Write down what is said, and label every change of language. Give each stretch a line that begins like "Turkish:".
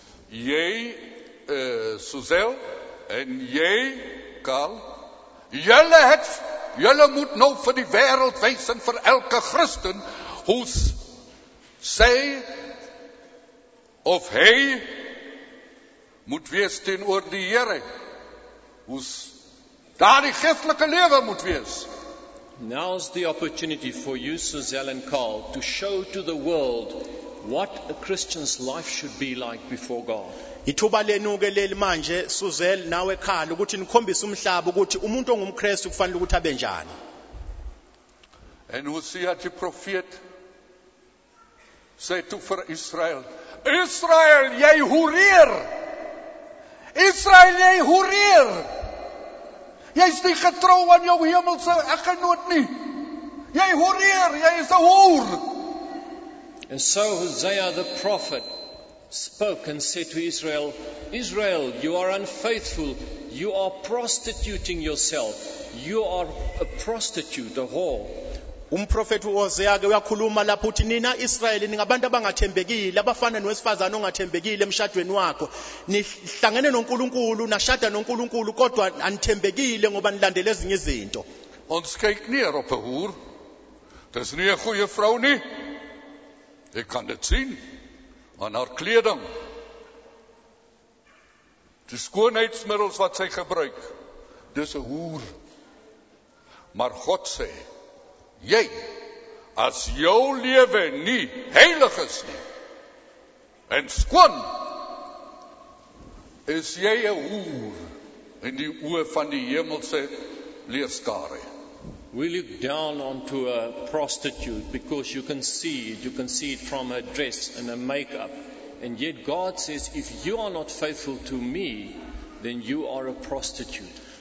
Afrikaans: Yay, Suzel, en yay, Karl, julle moet nou vir die wêreld wys en vir elke Christen hoe sy of hy moet wees teenoor die Here, hoe daardie geestelike lewe moet wees.
English: Now's the opportunity for you, Suzel and Carl, to show to the world what a Christian's life should be like before God.
Zulu: Ithuba lenu ke leli manje, Suzel nawe Carl, ukuthi nikhombise umhlaba ukuthi umuntu ongumKristu kufanele ukuthi abe njani.
English: And Hosea the prophet said to for Israel, Israel,
Afrikaans: jy hoereer. Israel, jy hoereer. Jy is nie getrou aan jou hemelse eggenoot nie. Jy hoereer, jy is 'n hoer.
English: And so Hosea the prophet spoke and said to Israel, Israel, you are unfaithful. You are prostituting yourself. You are a prostitute, a whore.
Zulu: Umprofethi Hosea ke uyakhuluma lapho uthi nina Israyeli ningabantu abangathembekile abafana nowesifazane ongathembekile emshadweni wakho. Nihlangene noNkulunkulu nashada noNkulunkulu kodwa anithembekile ngoba nilandele ezinye izinto.
Afrikaans: Ons kyk neer op 'n hoer. Dis nie 'n goeie vrou nie. Ek kan dit sien aan haar kleding. Die skoonheidsmiddels wat sy gebruik. Dis 'n hoer. Maar God sê jy, as jou lewe nie heilig is nie, en skoon, is jy 'n hoer in die oë van die hemelse leerskare.
English: Will you look down onto a prostitute because you can see it from her dress and her makeup, and yet God says, if you are not faithful to me, then you are a prostitute.